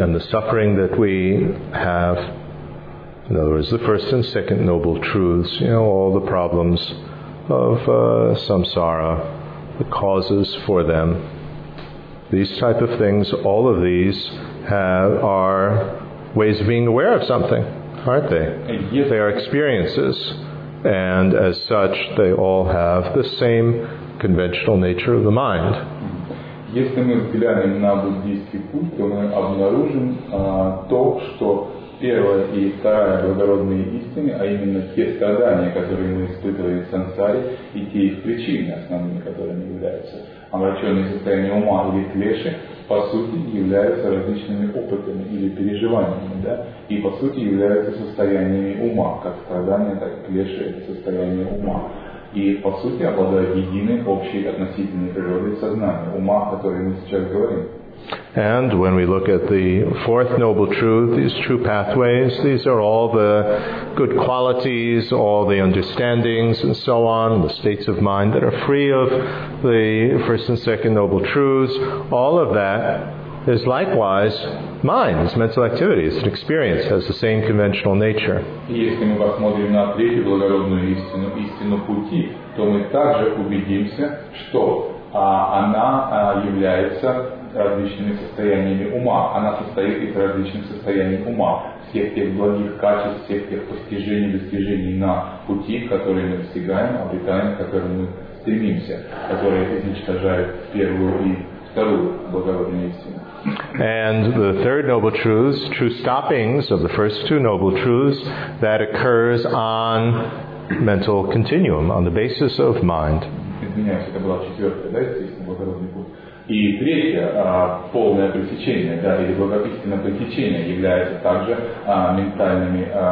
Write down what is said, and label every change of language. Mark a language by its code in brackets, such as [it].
[en] suffering that we have, in other words, the first and second noble truths, you know, all the problems of samsara, the causes for them, these type of things, all of these are ways of being aware of something, aren't they? Yes. They are experiences, and as such, they all have the same conventional nature of the mind. [ru] Если мы взглянем на буддийский путь, то мы обнаружим то, что первая и вторая благородные истины, а именно те страдания, которые мы испытываем в сансаре, и те их причины, основными которыми являются омраченные состояния ума или клеши, по сути являются различными опытами или переживаниями, да, и по сути являются состояниями ума, как страдания, так и клеши, это состояние ума, и по сути обладают единой общей относительной природой сознания, ума, о которой мы сейчас говорим. [en] And when we look at the fourth noble truth, these true pathways, these are all the good qualities, all the understandings and so on, the states of mind that are free of the first and second noble truths, all of that is likewise mind, it's mental activity, it's an experience, has the same conventional nature. [ru] Если мы посмотрим на третью благородную истину, истину пути, то мы также убедимся, что она является различными состояниями ума. Она состоит из различных состояний ума, всех тех благих качеств, всех тех постижений, достижений на пути, которые мы достигаем, обретаем, к которым мы стремимся, которые уничтожают первую и вторую благородные истины. [en] And the third noble truth, true stoppings of the first two noble truths, that occurs on mental continuum, on the basis of mind. [ru] Извиняюсь, это была четвертая, да, естественно, благородный путь. И третье, полное пресечение, да, или благопистинное пресечение является также ментальными...